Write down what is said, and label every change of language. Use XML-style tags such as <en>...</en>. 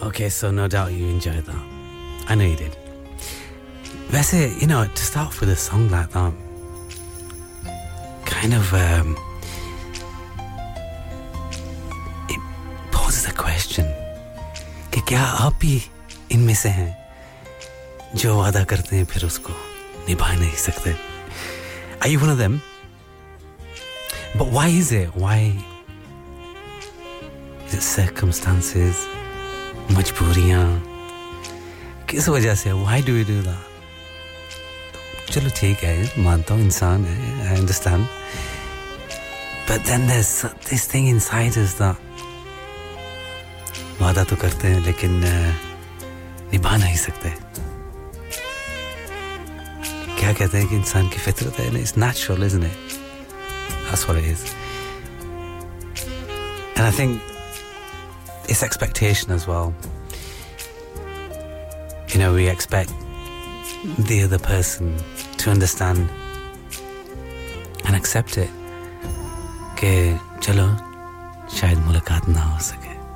<en>So no doubt you enjoyed that. I know you did. That's it. You know, to start off with a song like that, kind of it poses a question</en> <hi>कि क्या आप ही इनमें से हैं जो वादा करते हैं फिर उसको निभा नहीं सकते?</hi> <en>Are you one of them? But why is it? Why is it circumstances,</en> <hi>मजबूरियाँ? किस वजह से?</hi> <en>Why do we do that?</en> <hi>चलो ठीक है, मानता हूँ इंसान है,</hi> <en>I understand. But then there's this thing inside us that</en> <hi>वादा तो करते हैं लेकिन निभा नहीं सकते. क्या कहते हैं कि इंसान की फितरत है ना,</hi> <en>it's natural, isn't it? That's what it is. And I think it's expectation as well. You know, we expect the other person to understand and accept it.</en> <hi>कि चलो शायद मुलाकात ना हो सके.</hi>